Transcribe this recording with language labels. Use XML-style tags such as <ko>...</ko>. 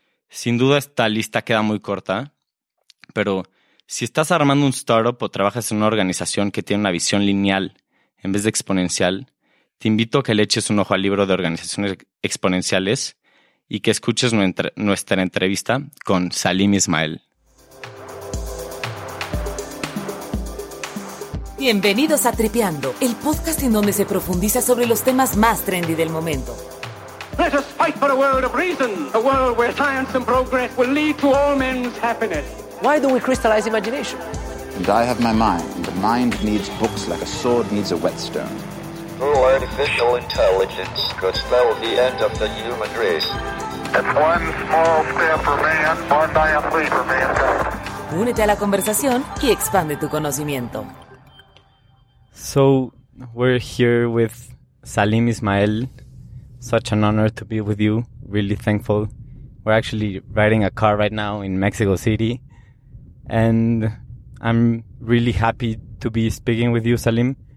<es>Sin duda, esta lista queda muy corta, pero si estás armando un startup o trabajas en una organización que tiene una visión lineal en vez de exponencial, te invito a que le eches un ojo al libro de Organizaciones Exponenciales y que escuches nuestra entrevista con Salim Ismael. Bienvenidos a Tripeando, el podcast en donde se profundiza sobre los temas más trendy del momento.</es> <en>Let us fight for a world of reason, a world where science and progress will lead to all men's happiness. Why do we crystallize imagination? And I have my mind. The mind needs books like a sword needs a whetstone. Full artificial intelligence could spell the end of the human race. It's one small step for man, one giant leap for mankind.</en> <es>Únete a la conversación y expande tu conocimiento.</es> <en>So we're here with Salim Ismael. Such an honor to be with you. Really thankful. We're actually riding a car right now in Mexico City. And I'm really happy to be speaking with you, Salim.</en>